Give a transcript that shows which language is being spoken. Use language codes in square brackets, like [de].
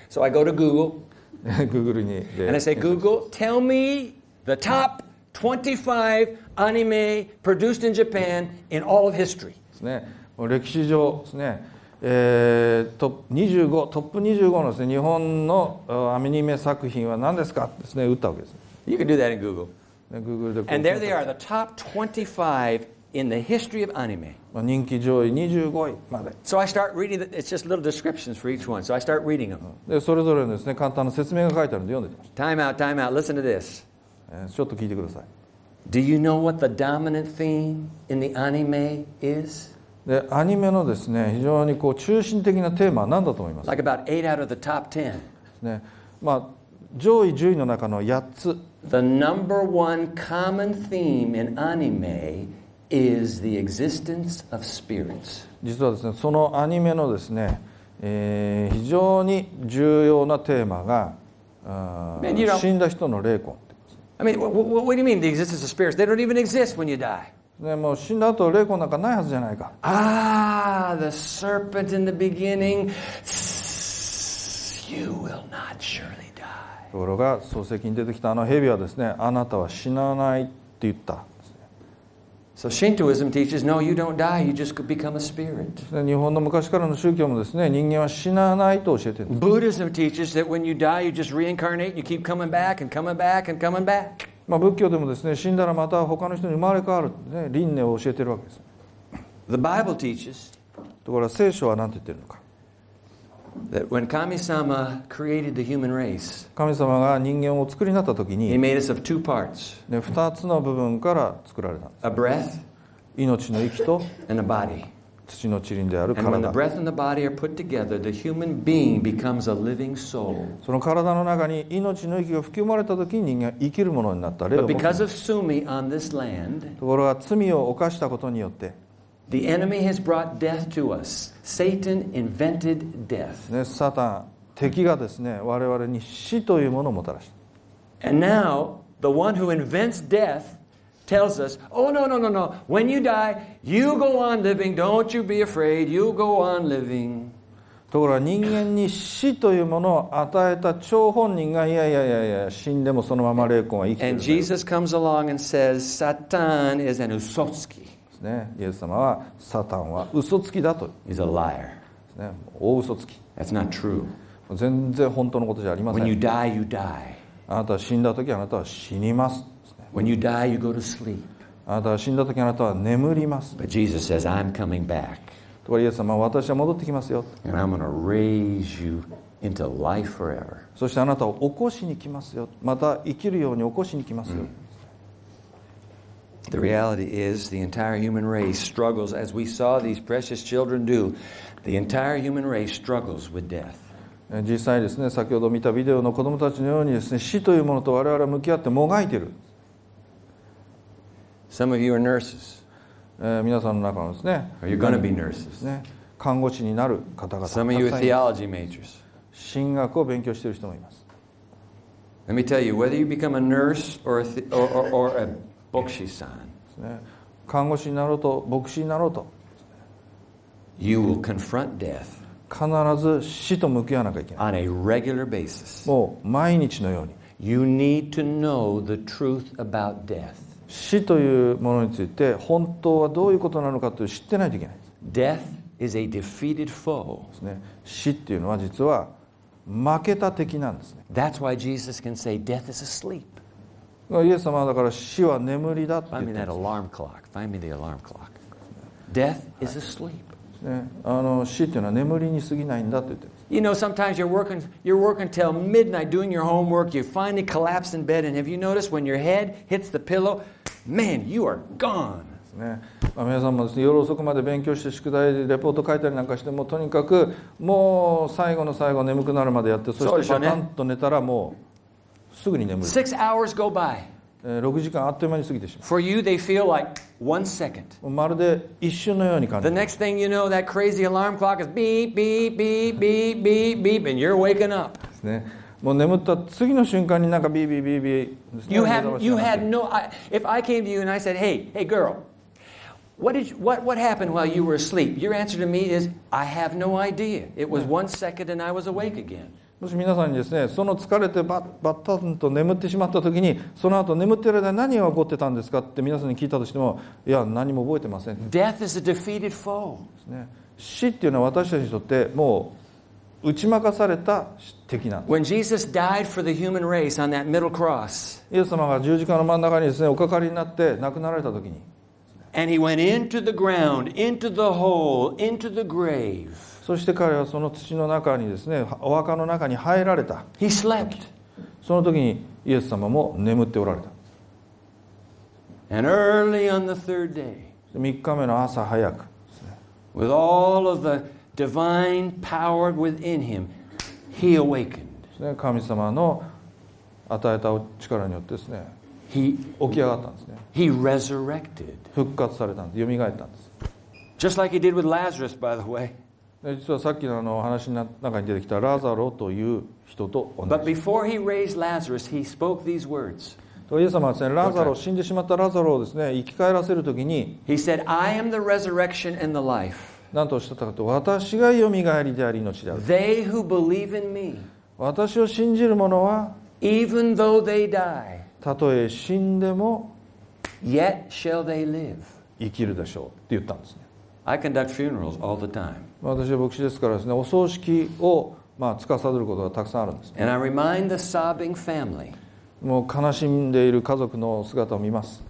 [en] So I go to Google. [ja] Google に。 [en] And I say, Google, tell me the top 25 anime produced in Japan in all of history. [ja] ですね、歴史上ですね、トップ25のです、ね、日本のアニメ作品は何ですかですね、打ったわけです。 [en] You can do that in Google. [ja] Google で。 [en] And there they are, the top 25 in the history of anime. [ja] 人気上位25位まで。 [en] So I start reading. It's just little descriptions for each one. So I start reading them. [ja] でそれぞれのですね、簡単な説明が書いてあるんで読んでみます。 [en] Time out. Listen to this. [ja] ちょっと聞いてください。 [en] Do you know what the dominant theme in the anime is? [ja] でアニメのですね、非常にこう中心的なテーマは何だと思いますか？ [en] Like about 8 out of the top 10. [ja] ね、まあ、上位10位の中の8つ。 [en] The number one common theme in anime is the existence of spirits. [ja] 実はですね、そのアニメのですね、非常に重要なテーマが、死んだ人の霊魂ってことです。 [en] I mean, what do you mean the existence of spirits? They don't even exist when you die. [ja] ね、もう死んだ後霊魂なんかないはずじゃないか。 [en] Ah, the serpent in the beginning, you will not surely die. [ja] ところが創世記に出てきたあの蛇はですね、あなたは死なないって言ったんです、ね。 [en] So Shintoism teaches, no, you don't die, you just become a spirit. [ja] 日本の昔からの宗教もですね、人間は死なないと教えてる。 [en] Buddhism teaches that when you die, you just reincarnate, you keep coming back and coming back and coming back. [ja] まあ、仏教でもですね、死んだらまた他の人に生まれ変わる、ね、輪廻を教えているわけです。 [en] The Bible teaches, [ja] ところが聖書は何て言ってるのか。 [en] That when 神様 created the human race, [ja] 神様が人間を作りになった時に、 [en] He made us of two parts, [ja] 二つの部分から作られたんです。 [en] A breath, [ja] 命の息と、 [en] and a body. [ja] 土の地輪である体。 [en] And when the breath and the body are put together, the human being becomes a living soul. [ja] その体の中に命の息が吹き込まれた時に人間は生きるものになった。 [en] But because of sumi on this land, [ja] ところが罪を犯したことによって、 [en] the enemy has brought death to us. Satan invented death. [ja] ね、サタン、敵がですね、我々に死というものをもたらした。 [en] And now, the one who invents death,tells us, oh no, no, no, no, when you die, you go on living, don't you be afraid, you go on living. [ja] ところが人間に死というものを与えた張本人が、いや、死んでもそのまま霊魂は生きてる。 [en] And Jesus comes along and says, Satan is an [ja] usotsuki. ですね、イエス様は、サタンは嘘つきだと。 [en] He's a liar. [ja] ですね、大嘘つき。 [en] That's not true. [ja] 全然本当のことじゃありません。 [en] When you die, you die. [ja] あなたは死んだときあなたは死にます。 [en] When you die, you go to sleep. [ja] あなたは死んだ時あなたは眠ります。 [en] But Jesus says, I'm coming back. [ja] ところがイエス様は私は戻ってきますよ。 [en] And I'm going to raise you into life forever. [ja] そしてあなたを起こしに来ますよ。また生きるように起こしに来ますよ。 Mm. [en] The reality is the entire human race struggles as we saw these precious children do. The entire human race struggles with death. [ja] 実際ですね、先ほど見たビデオの子供たちのようにですね、死というものと我々は向き合ってもがいている。 [en] Some of you are nurses. [ja] 皆さんの中のですね。 [en] Are you going to be nurses? [ja] ね、看護師になる方々たくさんいます。 [en] Some of you are theology majors. [ja] 神学を勉強している人もいます。 [en] Let me tell you, whether you become a nurse or a bokushi-san, [ja] 看護師になろうと、牧師になろうと、 [en] you will confront death. [ja] 必ず死と向き合わなきゃいけない。 [en] On a regular basis. [ja] もう毎日のように。 [en] You need to know the truth about death. [ja] 死というものについて本当はどういうことなのかという知ってないといけない。 [en] Death is a defeated foe. [ja] ですね。死っていうのは実は負けた敵なんですね。 [en] That's why Jesus can say death is asleep. [ja] イエス様はだから死は眠りだって言ってます。 [en] Find me that alarm clock. Find me the alarm clock. Death is asleep. [ja] ね、あの死というのは眠りに過ぎないんだと言ってます。 [en] You know, sometimes you're working till midnight doing your homework, you finally collapse in bed, and have you noticed when your head hits the pillow, man, you are gone. [ja] ね、まあ、皆さんもですね、夜遅くまで勉強して宿題でレポート書いたりなんかして、もうとにかくもう最後の最後眠くなるまでやって、そしてバタンと寝たらもうすぐに眠る。 [en] Six hours go by. [ja] 6時間あっという間に過ぎてしまう。 [en] For you, they feel like one second. [ja] まるで一瞬のように感じる。 [en] The next thing you know, that crazy alarm clock is beep beep beep beep beep beep, and you're waking up. [ja] ですね。もう眠った次の瞬間になんかビービービービー。 [en] You had no. If I came to you and I said, hey girl. What happened while you were asleep? Your answer to me is, I have no idea. It was one second and I was awake again. [ja] もし皆さんにですね、その疲れてバッタンと眠ってしまった時に、その後眠ってる間何が起こってたんですかって皆さんに聞いたとしても、いや、何も覚えてません。 [en] Death is a defeated foe. [ja] ですね。死っていうのは私たちにとってもう打ち負かされた敵なんです。 [en] When Jesus died for the human race on that middle cross, [ja] イエス様が十字架の真ん中にですね、おかかりになって亡くなられた時に、 [en] And he went into the ground, into the hole, into the grave. [ja] そして彼はその土の中にですね、お墓の中に入られた。 [en] He slept. [ja] その時にイエス様も眠っておられた。 [en] And early on the third day, [ja] 3日目の朝早くですね、 [en] with all of the divine power within him, he awakened. [ja] 神様の与えた力によってですね、起き上がったんですね。 [en] He resurrected. [ja] 復活されたんです。蘇ったんです。 [en] Just like he did with Lazarus, by the way. [ja] 実はさっきの話の中に出てきたラザロという人と同じです。 [en] But before he raised Lazarus, he spoke these words. [ja] イエス様はですね、ラザロ、死んでしまったラザロをですね、生き返らせるときに、 [en] He said, I am the resurrection and the life. [ja] なんとおっしゃったかというと、私が蘇りであり命である。 [en] They who believe in me. [ja] 私を信じる者は、 [en] Even though they die. [ja] たとえ死んでも [en] Yet shall they live. [ja] 生きるでしょうって言ったんですね。 [en] I conduct funerals all the time. [ja] 私は牧師ですからですね、お葬式をまあ司ることがたくさんあるんです、ね。 [en] And I remind the sobbing family. [ja] もう悲しんでいる家族の姿を見ます。